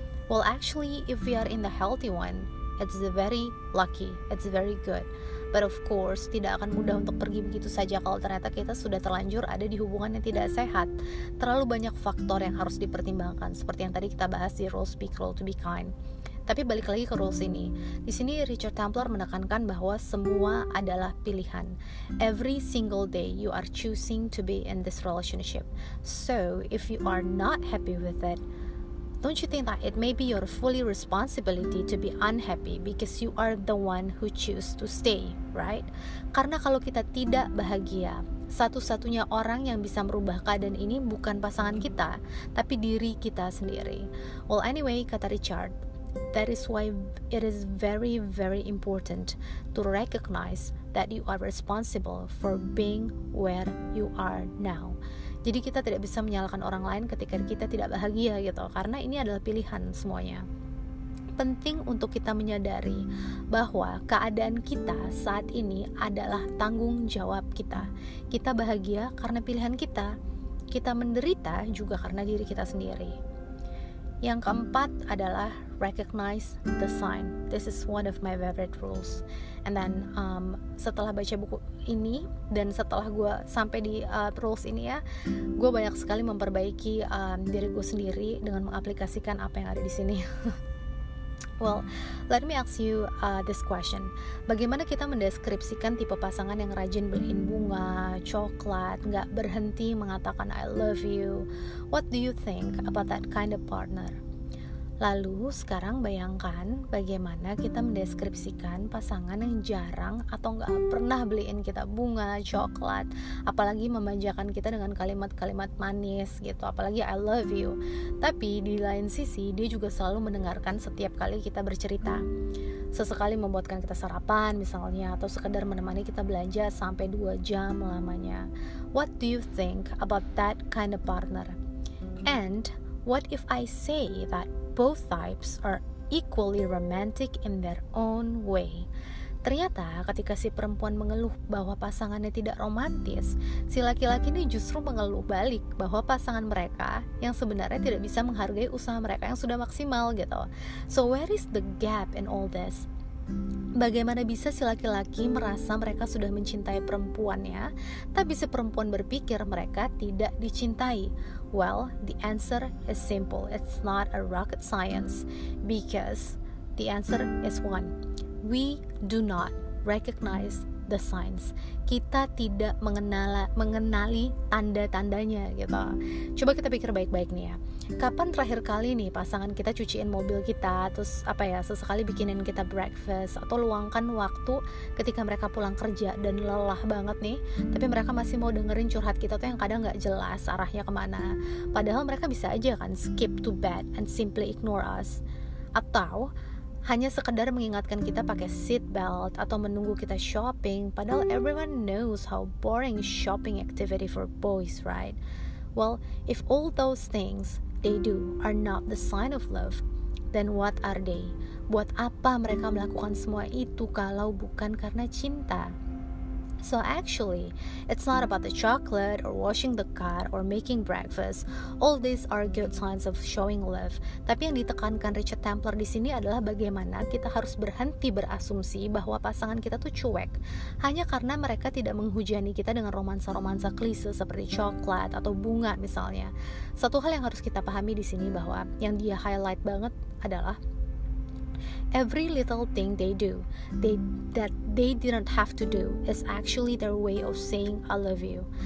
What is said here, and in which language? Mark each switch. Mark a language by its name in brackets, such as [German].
[English] Well, actually, if we are in the healthy one, it's very lucky, it's very good. But of course, [Indonesian] tidak akan mudah untuk pergi begitu saja kalau ternyata kita sudah terlanjur ada di hubungan yang tidak sehat. Terlalu banyak faktor yang harus dipertimbangkan, seperti yang tadi kita bahas di rules [English] be cruel to be kind. [Indonesian] Tapi balik lagi ke rules ini. Di sini Richard Templer menekankan bahwa semua adalah pilihan. [English] Every single day you are choosing to be in this relationship. So, if you are not happy with it, don't you think that it may be your fully responsibility to be unhappy because you are the one who choose to stay, right? [Indonesian] Karena kalau kita tidak bahagia, satu-satunya orang yang bisa merubah keadaan ini bukan pasangan kita, tapi diri kita sendiri. [English] Well, anyway, [Indonesian] kata Richard, [English] that is why it is very, very important to recognize that you are responsible for being where you are now. [Indonesian] Jadi kita tidak bisa menyalahkan orang lain ketika kita tidak bahagia gitu, karena ini adalah pilihan semuanya. Penting untuk kita menyadari bahwa keadaan kita saat ini adalah tanggung jawab kita. Kita bahagia karena pilihan kita, kita menderita juga karena diri kita sendiri. Yang keempat adalah [English] recognize the sign. This is one of my favorite rules. And then [Indonesian] setelah baca buku ini dan setelah gue sampai di rules ini ya, gue banyak sekali memperbaiki diri gue sendiri dengan mengaplikasikan apa yang ada di sini. [English] Well, let me ask you this question. [Indonesian] Bagaimana kita mendeskripsikan tipe pasangan yang rajin beliin bunga, coklat, gak berhenti mengatakan [English] I love you? What do you think about that kind of partner? [Indonesian] Lalu sekarang bayangkan bagaimana kita mendeskripsikan pasangan yang jarang atau gak pernah beliin kita bunga, coklat, apalagi memanjakan kita dengan kalimat-kalimat manis gitu, apalagi [English] I love you. [Indonesian] Tapi di lain sisi dia juga selalu mendengarkan setiap kali kita bercerita, sesekali membuatkan kita sarapan misalnya, atau sekedar menemani kita belanja sampai 2 jam lamanya. [English] What do you think about that kind of partner? And what if I say that both types are equally romantic in their own way? [Indonesian] Ternyata ketika si perempuan mengeluh bahwa pasangannya tidak romantis, si laki-laki ini justru mengeluh balik bahwa pasangan mereka yang sebenarnya tidak bisa menghargai usaha mereka yang sudah maksimal gitu. [English] So where is the gap in all this? [Indonesian] Bagaimana bisa si laki-laki merasa mereka sudah mencintai perempuannya, tapi si perempuan berpikir mereka tidak dicintai? [English] Well, the answer is simple. It's not a rocket science, because the answer is one. We do not recognize the signs. [Indonesian] Kita tidak mengenali tanda-tandanya gitu. Coba kita pikir baik-baik nih ya. Kapan terakhir kali nih pasangan kita cuciin mobil kita, terus apa ya, sesekali bikinin kita breakfast, atau luangkan waktu ketika mereka pulang kerja dan lelah banget nih, tapi mereka masih mau dengerin curhat kita tuh yang kadang gak jelas arahnya kemana. Padahal mereka bisa aja kan [English] skip to bed and simply ignore us. [Indonesian] Atau hanya sekedar mengingatkan kita pakai seat belt atau menunggu kita shopping, padahal [English] everyone knows how boring shopping activity for boys, right? Well, if all those things they do are not the sign of love, then what are they? [Indonesian] Buat apa mereka melakukan semua itu kalau bukan karena cinta? [English] So actually, it's not about the chocolate or washing the car or making breakfast. All these are good signs of showing love. [Indonesian] Tapi yang ditekankan Richard Templer di sini adalah bagaimana kita harus berhenti berasumsi bahwa pasangan kita tuh cuek hanya karena mereka tidak menghujani kita dengan romansa-romansa klise seperti coklat atau bunga misalnya. Satu hal yang harus kita pahami di sini bahwa yang dia highlight banget adalah [English] every little thing they do, that they didn't have to do, is actually their way of saying I love you.